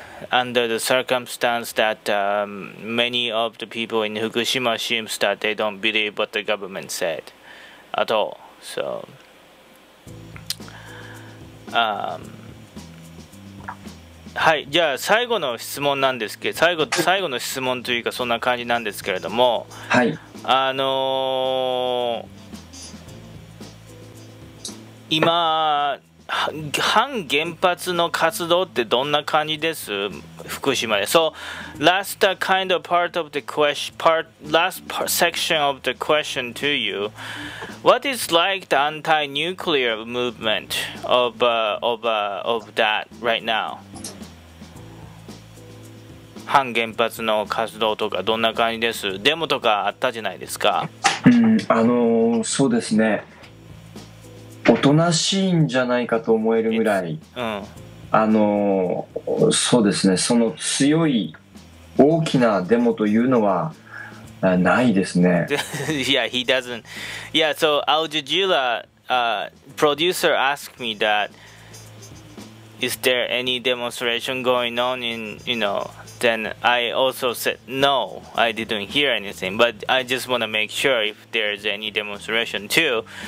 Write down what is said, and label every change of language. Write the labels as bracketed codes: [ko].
[en] Under the circumstance that many of the people in Fukushima seems that they don't believe what the government said at all. [ja] So, はい、じゃあ最後の質問なんですけど、最後の質問というかそんな感じなんですけれども、はい、今反原発の活動ってどんな感じです、福島で。 [en] So last kind of part of the question, part last part, section of the question to you, what is like the anti-nuclear movement of that right now? [ja] 反原発の活動とかどんな感じです、デモとかあったじゃないですか、うん、そうですね、おとなしいんじゃないかと思えるぐらい、うん、そうですね、その強い大きなデモというのはないですね。 [en] Yeah, he doesn't. Yeah, so Al Jazeera, producer asked me that, is there any demonstration going on in, you knowThen I also said no, I didn't hear anything, but I just want to make sure if there's any demonstration too.